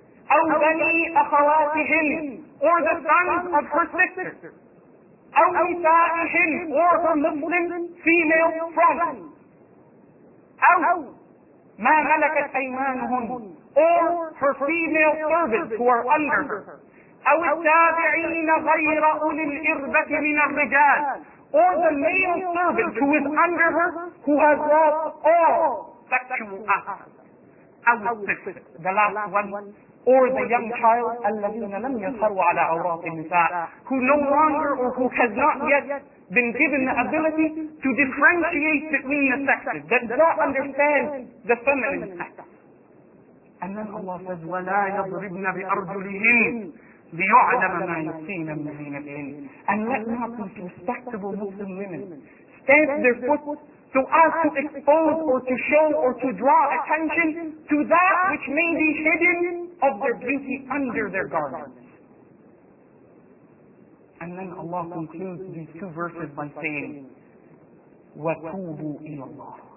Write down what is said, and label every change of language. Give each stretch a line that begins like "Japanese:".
Arabic: أو بني أخواتهن,
English: or the sons of her sister.
Arabic: أو نسائهن,
English: or her Muslim female friend.
Arabic: أو ما ملكت أيمانهن,
English: or her female servants who are under her.
Arabic: أو التابعين غير أولي الإربة من الرجال.
English: Or the male servant who is under her, who has lost all sexual aspects. The last one. Or the young child,
Arabic: الذين لم يظهروا على عورات النساء,
English: who no longer, or who has not yet been given the ability to differentiate between the sexes, that does not understand the feminine sex. And then Allah says,
Arabic: وَلَا يَضْرِبْنَ بِأَرْجُلِهِنَّ لِيُعْلَمَ مَا يُخْفِينَ مِنْ زِينَتِهِنَّ.
English: And let not these respectable Muslim women stamp their foot so as to expose or to show or to draw attention to that which may be hidden of their beauty under their garments. And then Allah concludes these two verses by saying,
Arabic: وَتُوبُوا إِلَى اللَّهِ.